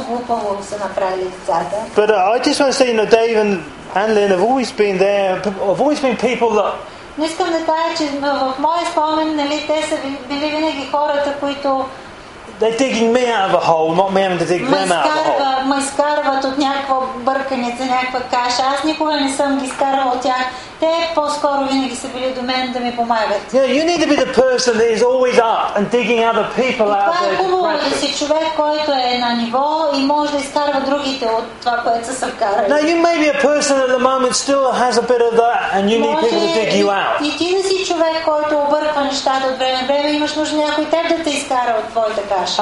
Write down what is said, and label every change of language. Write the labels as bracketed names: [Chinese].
[English] But I just want to say, you know, Dave and Lynn have always been there, have always been people that. [Bulgarian] Не искам да кажа, че в моя спомен, нали, те са били винаги хората, които. [English] They're digging me out of a hole, not me having to dig them out of a hole. [Bulgarian] Ме изкарват от някаква бърканица, някаква каша. Аз никога не съм ги изкарвал от тях. Те по-скоро винаги са били до мен да ми помагат. [English] Yeah, you need to be the person that is always up and digging other people out of their crap. [Bulgarian] Това е хубаво да си човек, който е на ниво и може да изкарва другите от това, което са вкарали. [English] Now you may be a person at the moment still has a bit of that and you need people to dig you out. [Bulgarian] И ти да си човек, който обърква нещата от време на време, имаш нужда някой теб да те изкара от твоята каша.